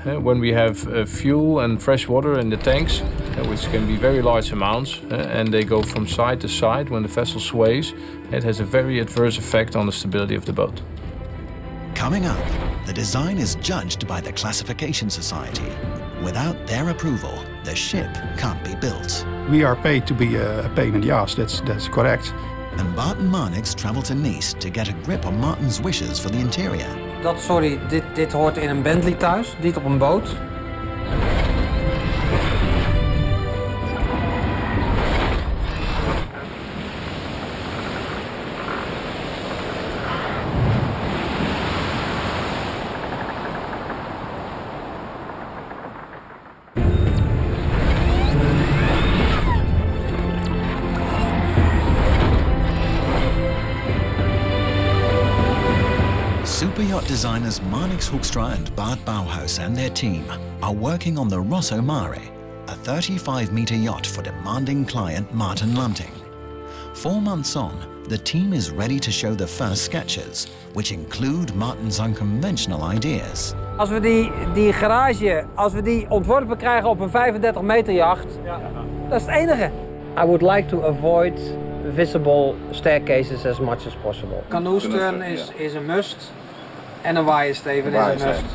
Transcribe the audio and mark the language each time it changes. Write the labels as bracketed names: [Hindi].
[English] When we have fuel and fresh water in the tanks, which can be very large amounts, and they go from side to side when the vessel sways, it has a very adverse effect on the stability of the boat. Coming up, the design is judged by the Classification Society. Without their approval, the ship can't be built. We are paid to be a pain in the ass, that's correct. And Bart and Marnix travel to Nice to get a grip on Martin's wishes for the interior. [Dutch] Dat, sorry, dit hoort in een Bentley thuis, niet op een boot. [English] Designers Marnix Hoekstra and Bart Bauhaus and their team are working on the Rosso Mare, a 35-meter yacht for demanding client Martin Lanting. 4 months on, the team is ready to show the first sketches, which include Martin's unconventional ideas. [Dutch] Als we die garage, als we die ontworpen krijgen op een 35-meter yacht, dat is het enige. [English] I would like to avoid visible staircases as much as possible. Canoe stern is a must. [Dutch] En een waaiersteven is een must.